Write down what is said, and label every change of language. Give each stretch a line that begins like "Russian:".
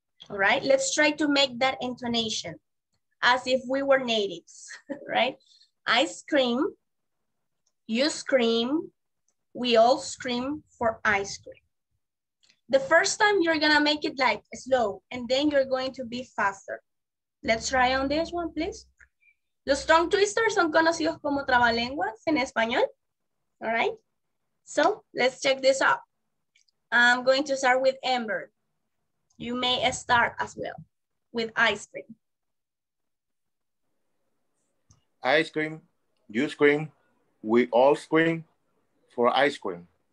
English: All right, let's try to make that intonation as if we were natives, right? I scream, you scream, we all scream for ice cream. The first time you're gonna make it like slow and then you're going to be faster. Let's try on this one, please.
Spanish: Los tongue twisters son conocidos como trabalenguas en español, all right?
English: So let's check this out. I'm going to start with Amber. You may start as well with ice cream. Ice cream, you scream, we all scream for ice cream.